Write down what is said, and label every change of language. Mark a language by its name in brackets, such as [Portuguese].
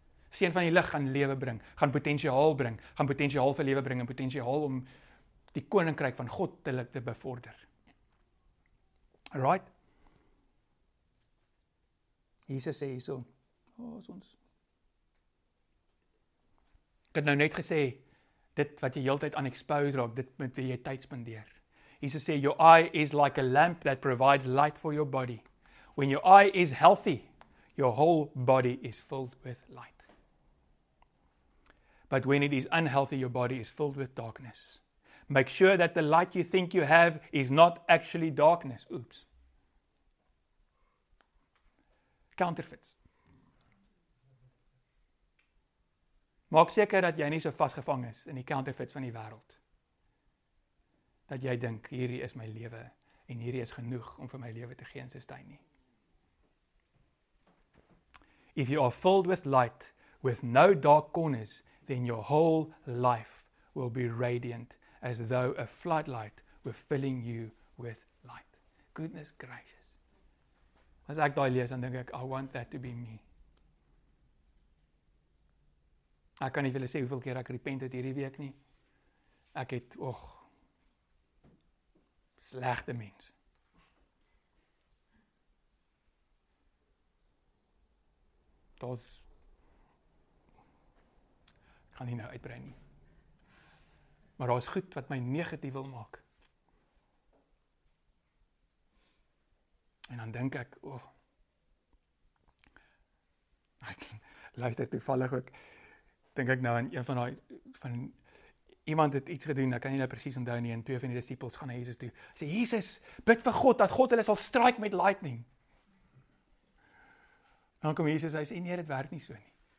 [Afrikaans] Seun van die lig gaan lewe bring, gaan potensiaal bring, gaan potensiaal vir lewe bring en potensiaal om die koninkryk van God te bevorder. [English] Right? [Afrikaans] Jesus sê hierso, ons. Ek het nou net gesê, dit wat jy heeltyd aan expose raak, dit met wie jy tyd spandeer. Jesus sê, [English] your eye is like a lamp that provides light for your body. When your eye is healthy, your whole body is filled with light. But when it is unhealthy, your body is filled with darkness. Make sure that the light you think you have is not actually darkness. Oops. Counterfeits. [Afrikaans] Maak seker dat jy nie so vasgevang is in die counterfeits van die wêreld. Dat jy dink, hierdie is my lewe en hierdie is genoeg om vir my lewe te gee en sustain nie. [English] If you are filled with light, with no dark corners, then your whole life will be radiant as though a floodlight were filling you with light. Goodness gracious. [Afrikaans] As ek daai lees, dan dink ek, [English] I want that to be me. [Afrikaans] Ek kan nie vir julle sê hoeveel keer ek repent het hierdie week nie. Ek het, slegte mens. Dis, ek kan nie nou uitbrei nie. Maar daar is goed wat my negatief wil maak. En dan dink ek, ek luister toevallig ook, dink ek nou aan een van iemand het iets gedoen, ek kan nie nou precies onthou nie, en twee van die disciples gaan na Jesus toe, sê, Jesus, bid vir God, dat God hulle sal strike met lightning. Dan kom Jesus, hy sê, nee, dit werk nie so nie.